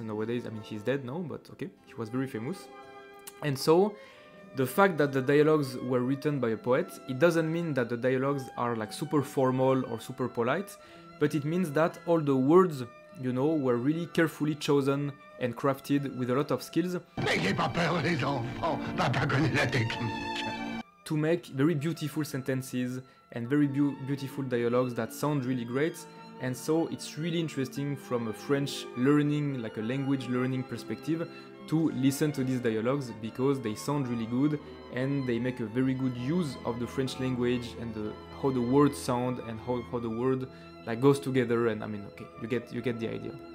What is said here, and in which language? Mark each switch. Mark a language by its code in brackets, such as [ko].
[en] Nowadays, I mean, he's dead now, but okay, he was very famous. And so, the fact that the dialogues were written by a poet, it doesn't mean that the dialogues are like super formal or super polite, but it means that all the words, you know, were really carefully chosen and crafted with a lot of skills. [fr] N'ayez pas peur, les enfants, papa connaît la technique. [en] To make very beautiful sentences and very beautiful dialogues that sound really great. And so it's really interesting from a French learning, like a language learning perspective, to listen to these dialogues because they sound really good and they make a very good use of the French language and the how the words sound and how the word like goes together, and I mean, okay, you get the idea.